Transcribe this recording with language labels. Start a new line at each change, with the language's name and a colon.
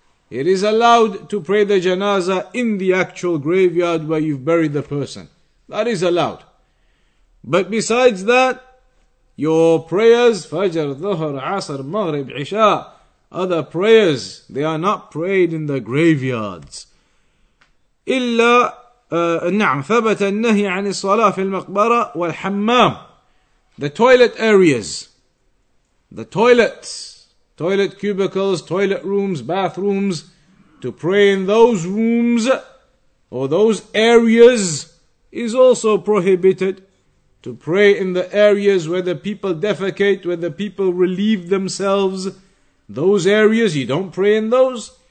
English: It is allowed to pray the janazah in the actual graveyard where you've buried the person. That is allowed. But besides that, your prayers, Fajr, Dhuhr, Asr, Maghrib, Isha, other prayers, they are not prayed in the graveyards.
Arabic: إلا نعم ثبت النهي عن الصلاة في المقبرة والحمام.
English: The toilet areas, the toilets, toilet cubicles, toilet rooms, bathrooms, to pray in those rooms or those areas is also prohibited. To pray in the areas where the people defecate, where the people relieve themselves, those areas, you don't pray in those.